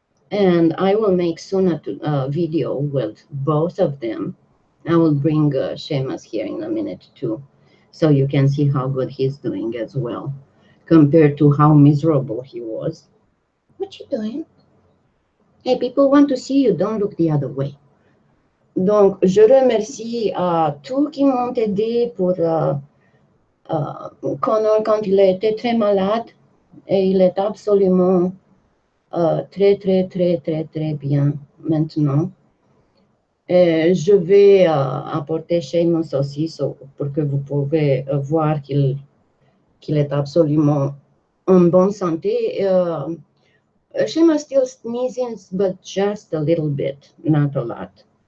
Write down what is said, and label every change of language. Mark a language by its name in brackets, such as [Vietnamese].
[English] And I will make soon a video with both of them. I will bring Seamus here in a minute too, so you can see how good he's doing as well, compared to how miserable he was. What you doing? Hey, people want to see you, don't look the other way. [French] Donc, je remercie tous qui m'ont aidé pour Conor quand il était très malade et il est absolument très, très, très, très, très bien maintenant. Et je vais apporter Seamus aussi pour que vous pouvez voir qu'il est absolument en bonne santé. [English] Seamus still sneezes, but just a little bit, not a lot.